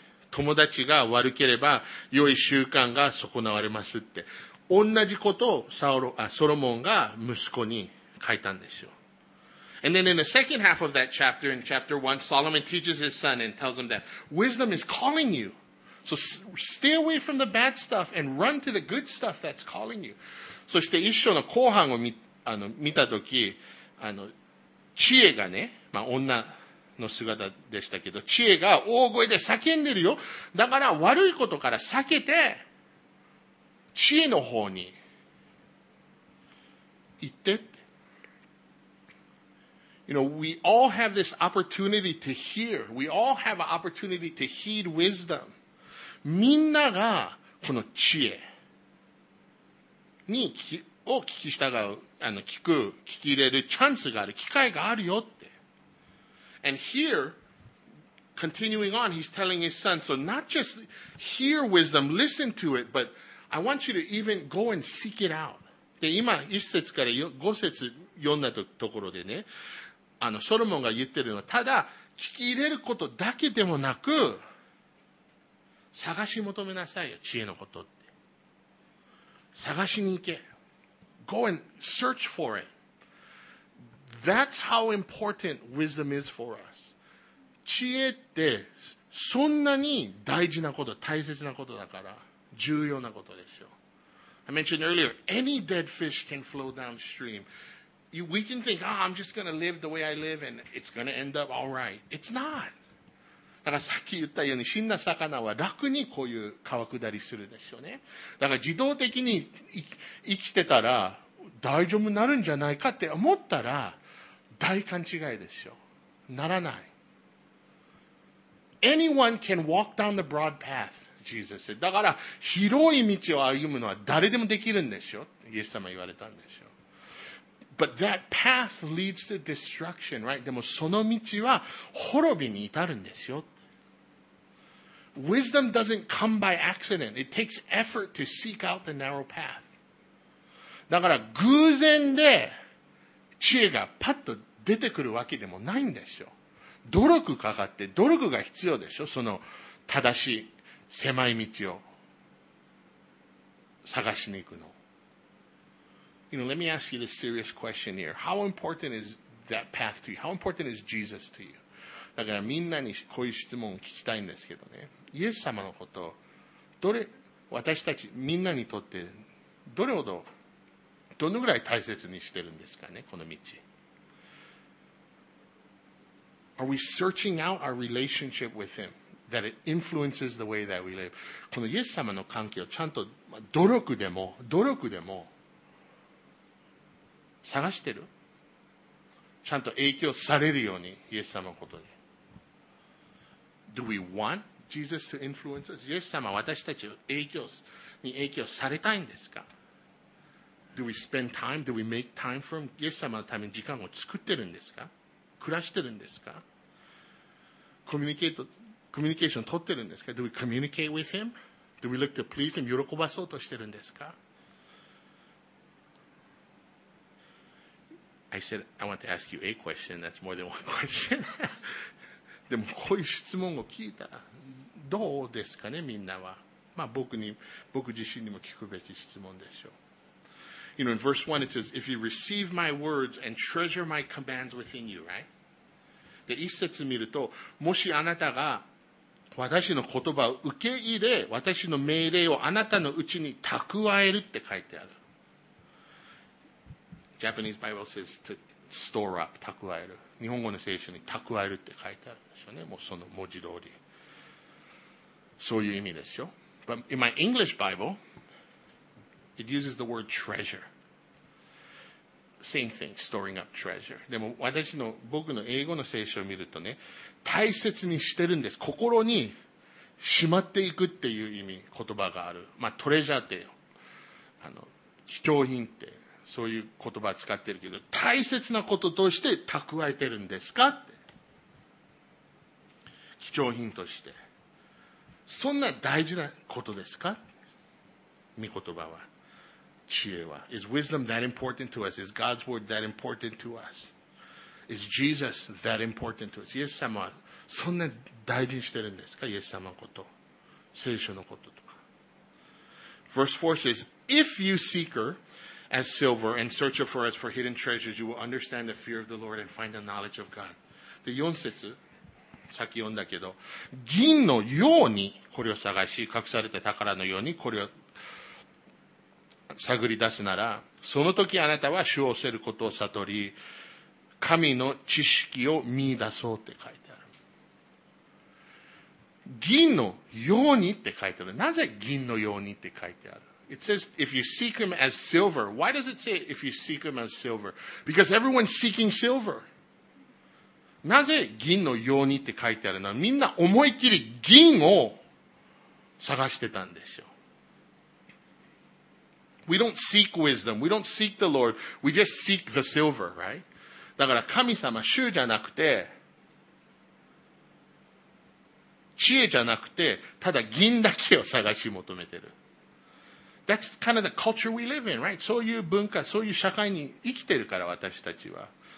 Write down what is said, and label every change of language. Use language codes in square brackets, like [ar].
[ja] 友達が悪ければ良い習慣が損なわれますって。同じことをソロモンが息子に書いたんですよ。 [en] And then in the second half of that chapter, in chapter 1, Solomon teaches his son and tells him that wisdom is calling you. So stay away from the bad stuff and run to the good stuff that's calling you. [ja] そして一章の後半を見たとき、知恵がね、まあ、女の姿でしたけど、知恵が大声で叫んでるよ。だから悪いことから避けて、知恵の方に行ってって。 [en] You know, we all have this opportunity to hear. We all have an opportunity to heed wisdom. [ja] みんながこの知恵に聞き従う。聞き入れるチャンスがある、機会があるよって。 [en] And here, continuing on, he's telling his son, so not just hear wisdom, listen to it, but I want you to even go and seek it out. [ja] で、今、一節から五節読んだところでね、ソロモンが言ってるのは、ただ、聞き入れることだけでもなく、探し求めなさいよ、知恵のことって。探しに行け。 [en] Go and search for it. That's how important wisdom is for us. [ja] 知恵ってそんなに大事なこと、大切なことだから、重要なことですよ。 [en] I mentioned earlier, any dead fish can flow downstream. We can think, ah,、oh, I'm just going to live the way I live and it's going to end up all right. It's not. [ja] だからさっき言ったように死んだ魚は楽にこういう川下りするでしょうね。だから自動的に生きてたら大丈夫になるんじゃないかって思ったら大勘違いですよ。ならない。 [en] Anyone can walk down the broad path. Jesus said. [ja] だから広い道を歩むのは誰でもできるんですよ。イエス様は言われたんですよ。 [en] But that path leads to destruction, right? [ja] でもその道は滅びに至るんですよ。 [en] Wisdom doesn't come by accident. It takes effort to seek out the narrow path. [ja] だから偶然で知恵がパッと出てくるわけでもないんですよ。努力かかって努力が必要でしょ。その正しい狭い道を探しに行くの。 [en] You know, let me ask you this serious question here. How important is that path to you? How important is Jesus to you? [ja] だからみんなにこういう質問を聞きたいんですけどね。イエス様のこと、どれ、私たちみんなにとって、どれほど、どのぐらい大切にしてるんですかね、この道。 [en] Are we searching out our relationship with him? That it influences the way that we live. [ja] このイエス様の関係をちゃんと努力でも努力でも探してる。ちゃんと影響されるようにイエス様のことで。 [en] Do we want Jesus to influence us? [ja] イエス様は私たちを影響に影響されたいんですか [en] ？Do we spend time? Do we make time for Him? [ja] イエス様のために時間を作ってるんですか？暮らしてるんですか？コミュニケートコミュニケーション取ってるんですか? [en] Do we communicate with him? Do we look to please him? [ja] 喜ばそうとしてるんですか? [en] I said, I want to ask you a question. That's more than one question. [ja] でもこういう質問を聞いたらどうですかね、みんなは。まあ僕自身にも聞くべき質問でしょう。 [en] You know, in verse 1 it says, if you receive my words and treasure my commands within you, right? [ja] で、一節見ると、もしあなたが私の言葉を受け入れ、私の命令をあなたのうちに蓄えるって書いてある。 [en] Japanese Bible says to store up, 蓄 [ja] える。日本語の聖書に蓄えるって書いてあるんですよね。もうその文字通り。そういう意味ですよ。 [en] But in my English Bible, it uses the word treasure. Same thing, storing up treasure. [ja] でも私の、僕の英語の聖書を見るとね、大切にしてるんです。心にしまっていくっていう意味、言葉がある。まあ、トレジャーって、貴重品って、そういう言葉を使ってるけど、大切なこととして蓄えてるんですかって。貴重品として。そんな大事なことですか? 御言葉は。知恵は。 [en] Is wisdom that important to us? Is God's word that important to us? Is Jesus that important to us? [ja] イエス様はそんな大事にしてるんですか?イエス様のこと。聖書のこととか。 [en] Verse 4 says, If you seek her as silver and search her for us for hidden treasures, you will understand the fear of the Lord and find the knowledge of God. [ja] で、4節、さっき読んだけど、銀のようにこれを探し、隠された宝のようにこれを探り出すなら、その時あなたは主を恐れることを悟り、神の知識を見出そうって書いてある。銀のようにって書いてある。なぜ銀のようにって書いてある? [en] It says, if you seek him as silver. Why does it say, if you seek him as silver? Because everyone's seeking silver. [ja] なぜ銀のようにって書いてあるの?みんな思いっきり銀を探してたんでしょ。 [en] We don't seek wisdom. We don't seek the Lord. We just seek the silver, right? [ja] だから神様、主じゃなくて、知恵じゃなくて、ただ銀だけを探し求めてる。 [en] That's kind of the culture we live in, right? [ja] そういう文化、そういう社会に生きてるから私たちは。